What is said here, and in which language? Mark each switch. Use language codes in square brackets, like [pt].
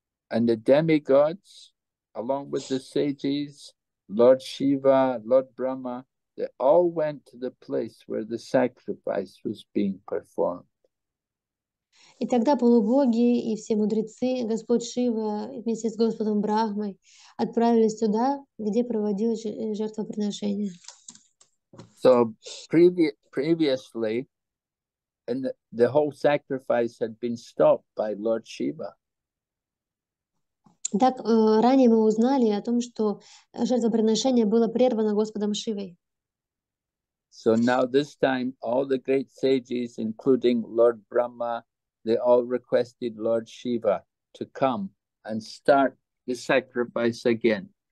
[en] And the demigods, along with the sages, Lord Shiva, Lord Brahma, they all went to the place where the sacrifice was being performed. [ru] И тогда полубоги и все мудрецы, Господь Шива вместе с Господом Брахмой, отправились туда, где проводилось жертвоприношение. [en] So previously, and the whole sacrifice had been stopped by Lord Shiva. [ru] Так, ранее мы узнали о том, что жертвоприношение было прервано Господом Шивой. [en] So now this time all the great sages, including Lord Brahma, they all requested Lord Shiva to come and start the sacrifice again.